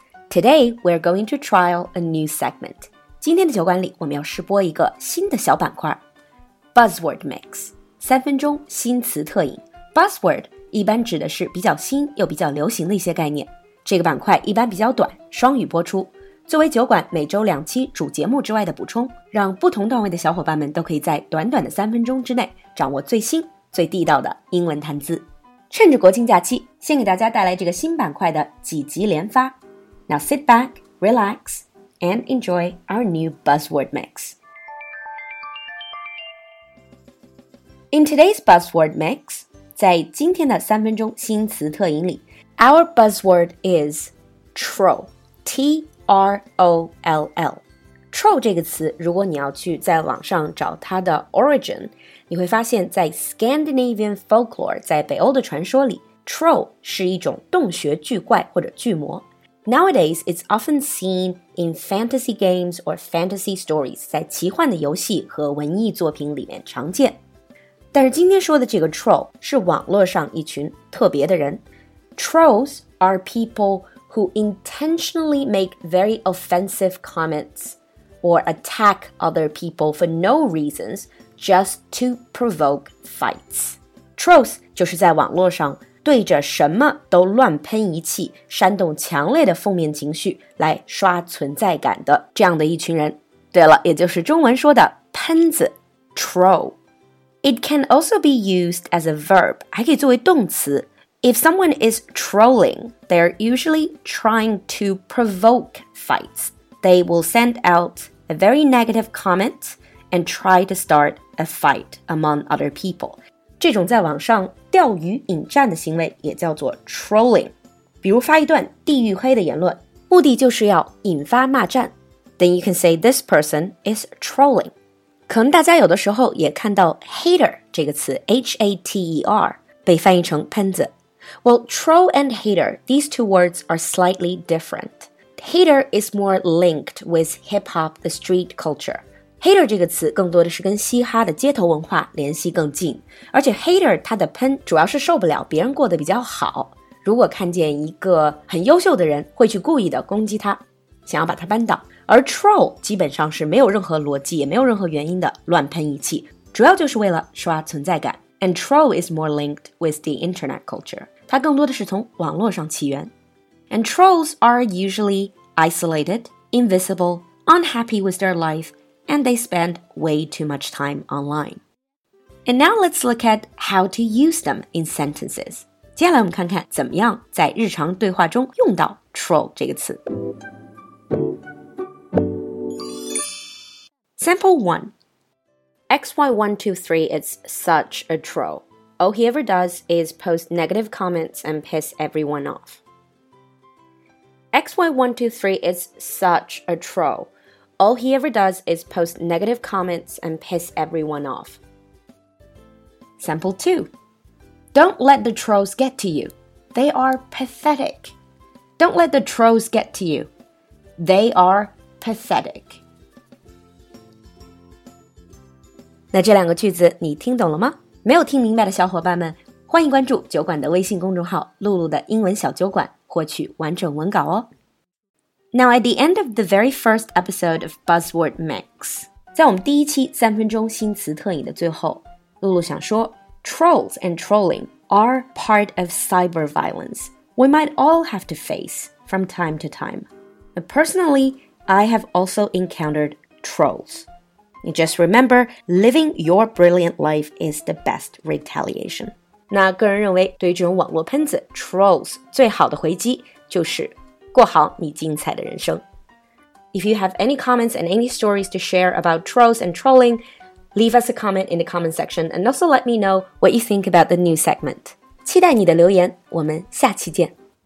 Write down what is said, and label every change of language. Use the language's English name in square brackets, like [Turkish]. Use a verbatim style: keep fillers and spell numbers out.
[English] Today we're going to try a new segment. [Chinese] 今天的酒馆里我们要试播一个新的小板块 Buzzword Mix 三分钟新词特饮 Buzzword 一般指的是比较新又比较流行的一些概念。这个板块一般比较短，双语播出，作为酒馆每周两期主节目之外的补充，让不同段位的小伙伴们都可以在短短的三分钟之内掌握最新最地道的英文谈资。趁着国庆假期，先给大家带来这个新板块的几集连发。 [English] Now sit back, relax, and enjoy our new buzzword mix. In today's buzzword mix, [Chinese] 在今天的三分钟新词特饮里 [English] our buzzword is troll, T R O L L。 [Chinese] troll 这个词，如果你要去在网上找它的 origin， 你会发现在 [English] Scandinavian folklore， [Chinese] 在北欧的传说里 troll 是一种洞穴巨怪或者巨魔。 [English] Nowadays, it's often seen in fantasy games or fantasy stories， [Chinese] 在奇幻的游戏和文艺作品里面常见。但是今天说的这个 troll 是网络上一群特别的人。 [English] Trolls are people who intentionally make very offensive comments or attack other people for no reasons, just to provoke fights. [Chinese] Trolls 就是在网络上对着什么都乱喷一气，煽动强烈的负面情绪来刷存在感的这样的一群人。对了，也就是中文说的喷子 troll. [English] It can also be used as a verb, [Chinese] 还可以作为动词。 [English] If someone is trolling, they're usually trying to provoke fights. They will send out a very negative comment and try to start a fight among other people. [Chinese] 这种在网上钓鱼引战的行为也叫做 trolling. 比如发一段地域黑的言论，目的就是要引发骂战。 [English] Then you can say this person is trolling. [Chinese] 可能大家有的时候也看到 hater 这个词 H A T E R 被翻译成喷子。 [English] Well, troll and hater, these two words are slightly different. Hater is more linked with hip-hop, the street culture. [Chinese] Hater 这个词更多的是跟嘻哈的街头文化联系更近，而且 hater 它的喷主要是受不了别人过得比较好，如果看见一个很优秀的人，会去故意的攻击他，想要把他扳倒。而 troll 基本上是没有任何逻辑，也没有任何原因的乱喷一气，主要就是为了刷存在感。 [English] And troll is more linked with the internet culture. [Chinese] 它更多的是从网络上起源。 [English] And trolls are usually isolated, invisible, unhappy with their life, and they spend way too much time online. And now let's look at how to use them in sentences. [Chinese] 接下来我们看看怎么样在日常对话中用到 troll 这个词。 [English] Sample one. X Y one two three is such a troll. All he ever does is post negative comments and piss everyone off. X Y one two three is such a troll. All he ever does is post negative comments and piss everyone off. Sample two. Don't let the trolls get to you. They are pathetic. Don't let the trolls get to you. They are pathetic. [Chinese] 那这两个句子你听懂了吗？没有听明白的小伙伴们，欢迎关注酒馆的微信公众号“露露的英文小酒馆”。获取完整文稿哦。 [English] Now at the end of the very first episode of Buzzword Mix, [Chinese] 在我们第一期三分钟新词特饮的最后，露露想说 [English] Trolls and trolling are part of cyber violence we might all have to face from time to time. But personally, I have also encountered trolls. And just remember, living your brilliant life is the best retaliation. [Chinese] 那个人认为对于这种网络喷子 trolls 最好的回击就是过好你精彩的人生。 [English] If you have any comments and any stories to share about trolls and trolling, leave us a comment in the comment section and also let me know what you think about the new segment. [Chinese] 期待你的留言，我们下期见。